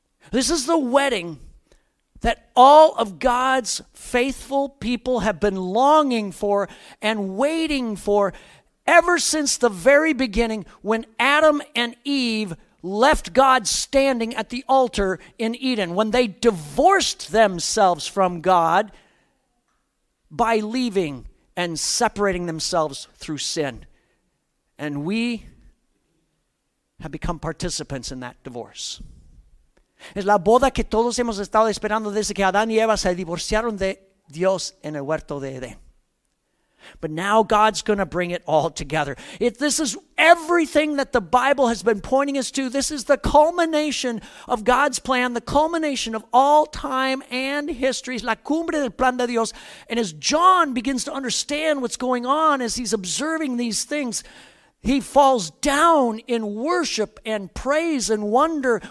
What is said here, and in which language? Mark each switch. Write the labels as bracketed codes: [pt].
[en] This is the wedding that all of God's faithful people have been longing for and waiting for ever since the very beginning when Adam and Eve left God standing at the altar in Eden. When they divorced themselves from God by leaving and separating themselves through sin. And we have become participants in that divorce. [es] Es la boda que todos hemos estado esperando desde que Adán y Eva se divorciaron de Dios en el huerto de Edén. [en] But now God's going to bring it all together. If this is everything that the Bible has been pointing us to, this is the culmination of God's plan, the culmination of all time and history, [es] la cumbre del plan de Dios. [en] And as John begins to understand what's going on as he's observing these things, he falls down in worship and praise and wonder.